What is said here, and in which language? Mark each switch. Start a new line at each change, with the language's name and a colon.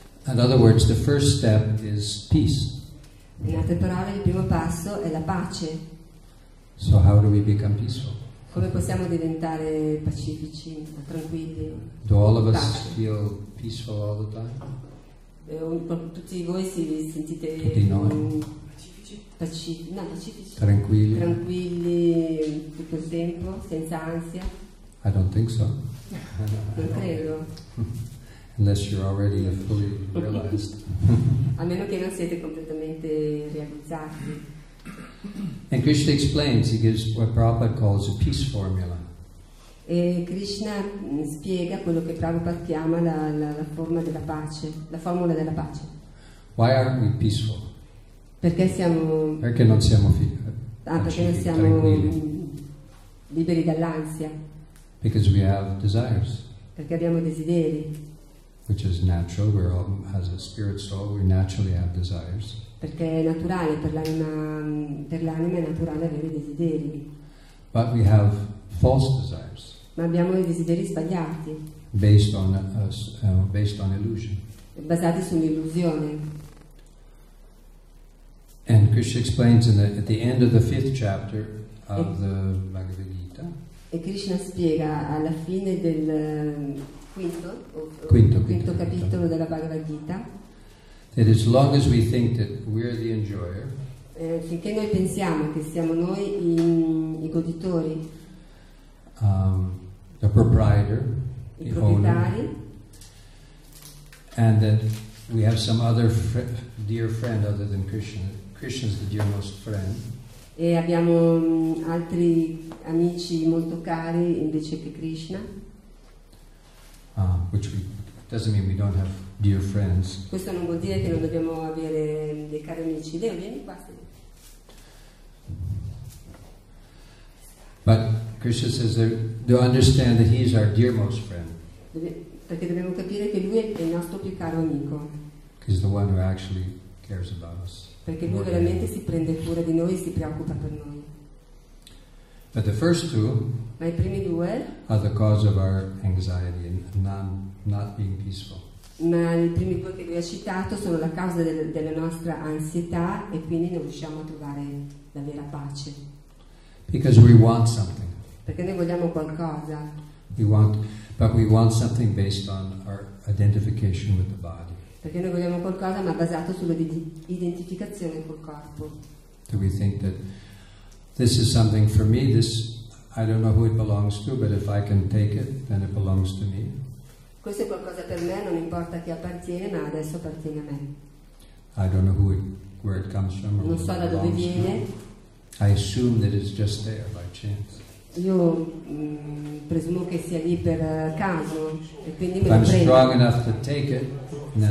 English: In other words, the first step is peace.
Italian: In altre parole, il primo passo è la pace.
English: So how do we become peaceful?
Italian: Come possiamo diventare pacifici, tranquilli?
English: Do all of us feel peaceful all the time?
Italian: Tutti voi si sentite pacifici? Tranquilli? Tranquilli tutto il tempo, senza ansia?
English: I don't think so.
Italian: Non credo.
English: Unless you're already fully realized.
Italian: A meno che non siete completamente realizzati.
English: And Krishna explains, he gives what Prabhupada calls a peace formula.
Italian: E Krishna spiega quello che Prabhupada chiama la forma della pace, la formula della pace.
English: Why aren't we peaceful?
Italian: Perché siamo? Perché non siamo felici? Perché non siamo tranquilli. Liberi dall'ansia.
English: Because we have desires.
Italian: Perché abbiamo desideri.
English: Which is natural. We're all, as a spirit soul, we naturally have desires.
Italian: Perché è naturale per l'anima è naturale avere desideri.
English: But we have false desires.
Italian: Ma abbiamo i desideri sbagliati.
English: Based on based on illusion.
Italian: Basati su un'illusione.
English: And Krishna explains in the, at the end of the fifth chapter of the Bhagavad Gita.
Italian: E Krishna spiega alla fine del quinto capitolo della Bhagavad Gita.
English: That as long as we think that we're the enjoyer,
Italian: finché noi pensiamo che siamo noi i goditori,
English: the proprietor,
Italian: i proprietari,
English: and that we have some other dear friend other than Krishna. Krishna's the dearmost friend.
Italian: E abbiamo altri amici molto cari invece che Krishna.
English: Doesn't mean we don't have dear friends.
Italian: Questo non vuol dire che non dobbiamo avere dei cari amici. Leo, vieni qua.
English: But Krishna says that to understand that he is our dearmost friend.
Italian: Perché dobbiamo capire che lui è il nostro più caro amico.
English: He's the one who actually cares about us.
Italian: Perché lui veramente si prende cura di noi e si preoccupa per noi.
English: But the first two.
Italian: Ma i primi due.
English: Are the cause of our anxiety and not being peaceful.
Italian: Ma i primi due che lui ha citato sono la causa della nostra ansietà e quindi non riusciamo a trovare la vera pace.
English: Because we want something.
Italian: Perché noi vogliamo qualcosa.
English: But we want something based on our identification with the body.
Italian: Perché noi vogliamo qualcosa ma basato sulla identificazione col corpo.
English: Do we think that this is something for me, this I don't know who it belongs to, but if I can take it, then it belongs to me.
Italian: Questo è qualcosa per me, non importa chi appartiene, ma adesso appartiene a me.
English: I don't know who it, where it comes from or
Italian: non so da dove viene.
English: To. I assume that it's just there by chance.
Italian: Io presumo che sia lì per caso e quindi me lo prendo.
English: I'm strong enough to take it, and then